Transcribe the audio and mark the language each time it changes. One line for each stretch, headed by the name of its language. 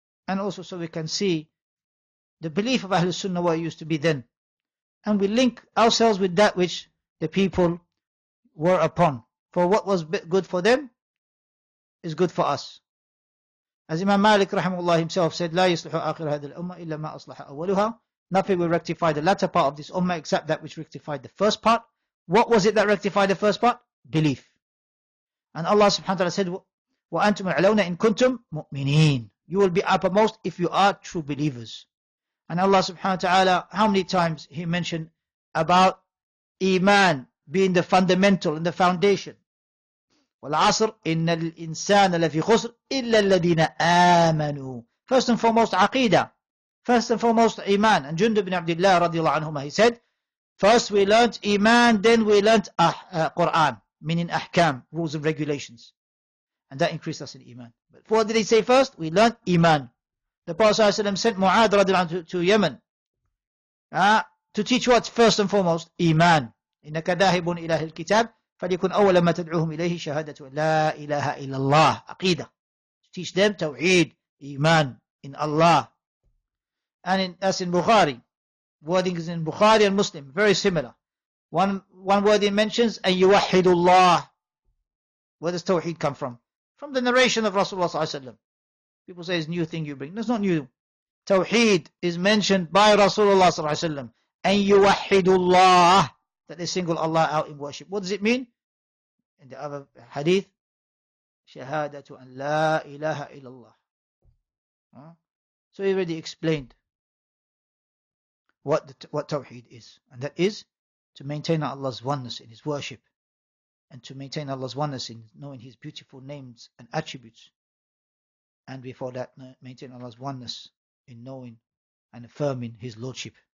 English: And also so we can see the belief of Ahlul Sunnah, what it used to be then. And we link ourselves with that which the people were upon. For what was good for them is good for us. As Imam Malik rahimahullah himself said,
Arabic: لا يصلح آخر هذه الأمة إلا ما أصلح أولها.
English: Nothing will rectify the latter part of this ummah except that which rectified the first part. What was it that rectified the first part? Belief. And Allah subhanahu wa ta'ala said,
Arabic: وَأَنْتُمُ الْعَلَوْنَ إِن كُنْتُمْ مُؤْمِنِينَ.
English: You will be uppermost if you are true believers. And Allah subhanahu wa ta'ala, how many times he mentioned about Iman being the fundamental and the foundation.
Arabic: وَالْعَصْرِ إِنَّ الْإِنسَانَ لَفِي خُسْرٍ إِلَّا الَّذِينَ آمَنُوا.
English: First and foremost, Aqeedah. First and foremost, Iman. And Jundub ibn Abdullah radiallahu anhuma, he said, first we learnt Iman, then we learnt Quran, meaning Ahkam, rules and regulations. And that increased us in Iman. But what did he say first? We learnt Iman. The Prophet sent Mu'adh radiallahu anhu to Yemen to teach what? First and foremost, Iman.
Arabic: إِنَّكَ ذَاهِبٌ إِلَهِ الْكِتَابِ فَلِيكُنْ أَوَّلَ مَا تَدْعُوهُمْ إِلَيْهِ شَهَادَةُ لَا إِلَهَ إِلَّا اللَّهِ Aqeedah.
English: To teach them Tawheed, Iman in Allah. And that's in Bukhari. Wording is in Bukhari and Muslim. Very similar. One word he mentions,
Arabic: أَن يُوَحِّدُ اللَّهِ.
English: Where does Tawheed come from? From the narration of Rasulullah ﷺ. People say it's a new thing you bring. That's not new. Tawheed is mentioned by Rasulullah ﷺ.
Arabic: أَن يُوَحِّدُ اللَّهِ.
English: That they single Allah out in worship. What does it mean? In the other hadith,
Arabic: شَهَادَةُ أَن لَا إِلَهَ إِلَّا اللَّهِ.
English: So he already explained what Tawheed is. And that is to maintain Allah's oneness in His worship, and to maintain Allah's oneness in knowing His beautiful names and attributes. And before that, maintain Allah's oneness in knowing and affirming His Lordship.